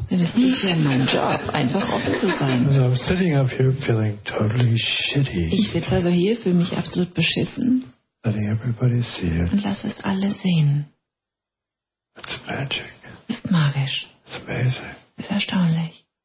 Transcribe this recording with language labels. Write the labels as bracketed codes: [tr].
[de] Das ist nicht mein Job, einfach offen zu sein. [en] And I'm sitting up here feeling totally shitty. [de] Ich sitze also hier, fühle mich absolut beschissen. [en] Letting everybody see it. [de] Und lass es alle sehen. [en] It's magic. [de] Ist magisch. [en] It's amazing. [de] Ist erstaunlich.